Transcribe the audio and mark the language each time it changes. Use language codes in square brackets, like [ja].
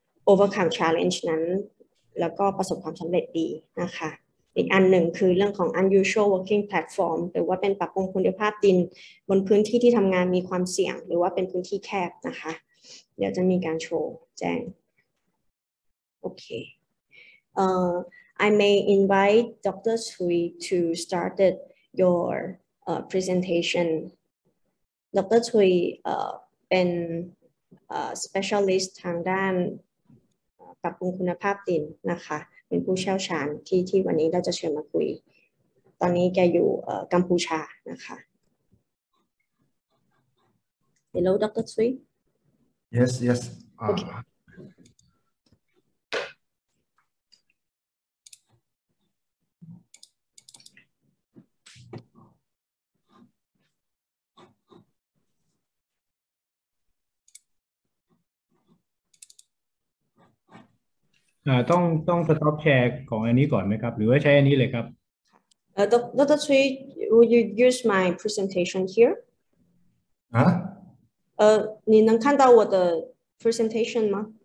[en] overcome challenge [th] นั้นแล้วก็ประสบความสำเร็จดีนะคะอีกอันหนึ่งคือเรื่องของ [en] unusual working platform [th] หรือว่าเป็นปรับปรุงคุณภาพดินบนพื้นที่ที่ทำงานมีความเสี่ยงหรือว่าเป็นพื้นที่แคบนะคะเดี๋ยวจะมีการโชว์แจ้งโอเค [en] I may invite Dr. Sui to start your presentation. Dr. [th] Sui เป็น specialist ทางด้านปรับปรุงคุณภาพดินนะคะเป็นผู้เชี่ยวชาญที่วันนี้เราจะเชิญมาคุยตอนนี้แกอยู่กัมพูชานะคะ [en] Hello Dr. Sui Yes okay. [th] ต้องสต็อปแชร์ของอันนี้ก่อนไหมครับหรือว่าใช้อันนี้เลยครับ [en] Dr. Sui, will you use my presentation here? ฮะ [zh] 你能看到我的 presentation 吗